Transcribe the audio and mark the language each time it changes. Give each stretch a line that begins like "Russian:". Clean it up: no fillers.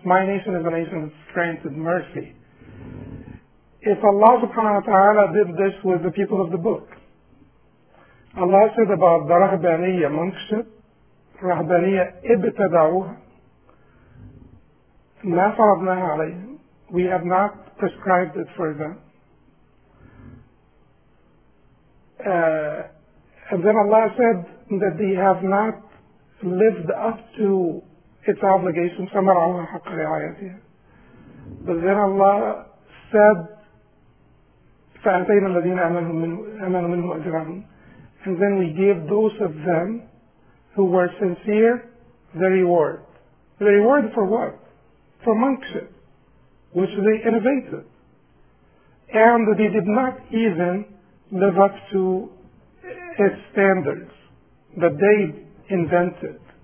English: My nation is a nation that's granted mercy. If Allah subhanahu wa ta'ala did this with the people of the book, Allah said about the Rahbaniya monkship,
Arabic: Rahbaniya ibtada'uha, ma faradnaha alayhim,
English: we have not prescribed it for them. And then Allah said that they have not lived up to its obligation,
Arabic: samara'uha haqqa ri'ayatiha.
English: But then Allah said,
Arabic: فَأَتَيْنَا الَّذِينَ أَمَنُوا مِنْهُ أَجْرَهُمْ.
English: And then we gave those of them who were sincere the reward. The reward for what? For monkship, which they innovated. And they did not even live up to its standards that they invented.